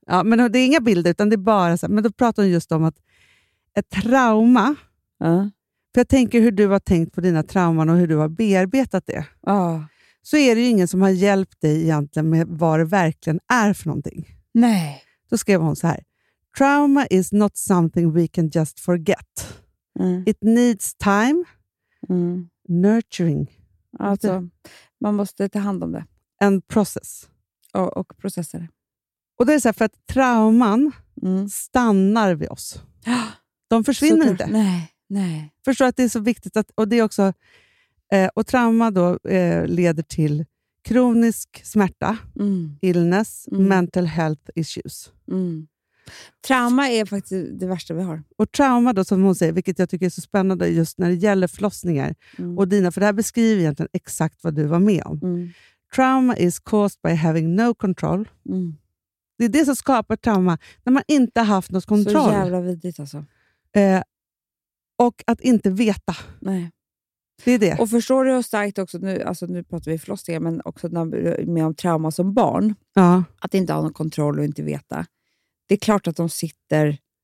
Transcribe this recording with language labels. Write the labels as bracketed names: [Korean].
[Swedish] Ja, men det är inga bilder, utan det är bara så här. Men då pratar hon just om att ett trauma. För jag tänker hur du har tänkt på dina trauman och hur du har bearbetat det. Så är det ju ingen som har hjälpt dig egentligen med vad det verkligen är för någonting. Nej. Då skrev hon så här. [English] Trauma is not something we can just forget. It needs time. Nurturing. [Swedish] Alltså, man måste ta hand om det. En process. Och processer. Och det är så här, för att trauman stannar vid oss. De försvinner inte. Nej. Förstår att det är så viktigt att, och det är också, och trauma då leder till kronisk smärta, [English] illness, mental health issues. [Swedish] Trauma är faktiskt det värsta vi har. Och trauma då, som hon säger, vilket jag tycker är så spännande just när det gäller förlossningar och dina, för det här beskriver egentligen exakt vad du var med om. [English] Trauma is caused by having no control. [Swedish] Det är det som skapar trauma, när man inte har haft något kontroll. Så jävla vidrigt alltså. Och att inte veta. Nej. Det är det. Och förstår du hur starkt också, nu pratar vi förlossningar, men också när med om trauma som barn. Ja. Att inte ha någon kontroll och inte veta. Det är klart att de sitter...